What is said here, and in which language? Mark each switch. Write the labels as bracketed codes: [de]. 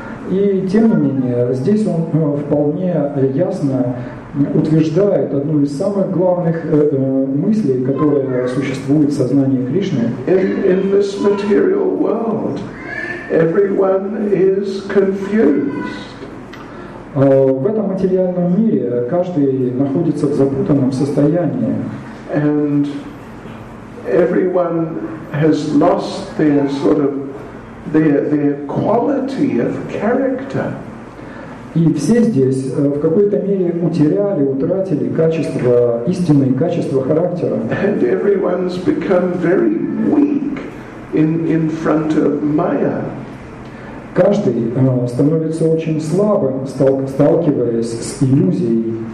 [ru] И тем не менее, здесь он вполне ясно утверждает одну из самых главных мыслей, которая существует в сознании Кришны. [en] In this material world, everyone is confused. [ru] В этом материальном мире каждый находится в запутанном состоянии. [en] Everyone has lost their sort of their quality of character. [ru] И все здесь в какой-то мере утратили истинные качества характера. [en] And everyone's become very weak in front of Maya. [ru] Каждый становится очень слабым, сталкиваясь с иллюзией.